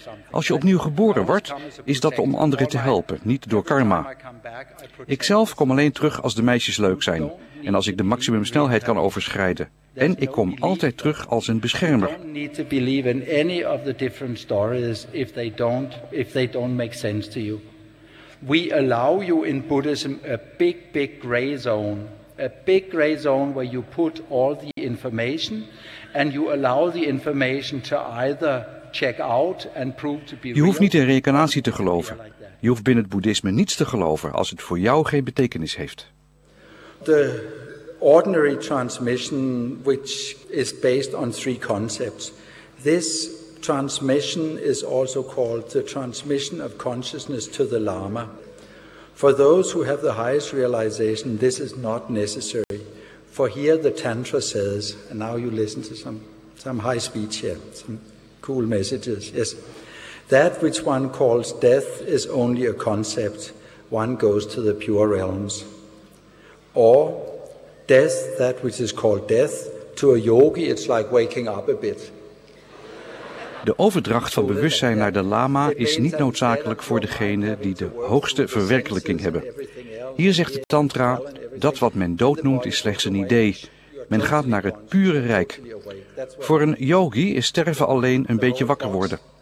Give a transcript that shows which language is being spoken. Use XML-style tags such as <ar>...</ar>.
<nl>Als je opnieuw geboren wordt, is dat om anderen te helpen, niet door karma. Ikzelf kom alleen terug als de meisjes leuk zijn en als ik de maximum snelheid kan overschrijden. En ik kom altijd terug als een beschermer.</nl> <en>You don't need to believe in any of the different stories if they don't make sense to you. We allow you in Buddhism a big, big gray zone. A big gray zone where you put all the information and you allow the information to either check out and prove to be real.</en> <nl>Je hoeft niet in reïncarnatie te geloven. Je hoeft binnen het boeddhisme niets te geloven als het voor jou geen betekenis heeft.</nl> <en>The ordinary transmission, which is based on 3 concepts. This transmission is also called the transmission of consciousness to the Lama. For those who have the highest realization, this is not necessary. For here the Tantra says, and now you listen to some high speech here, some cool messages, yes. That which one calls death is only a concept. One goes to the pure realms. Or death, that which is called death, to a yogi it's like waking up a bit.</en> <nl>De overdracht van bewustzijn naar de lama is niet noodzakelijk voor degene die de hoogste verwerkelijking hebben. Hier zegt de tantra, dat wat men dood noemt is slechts een idee. Men gaat naar het pure rijk. Voor een yogi is sterven alleen een beetje wakker worden.</nl>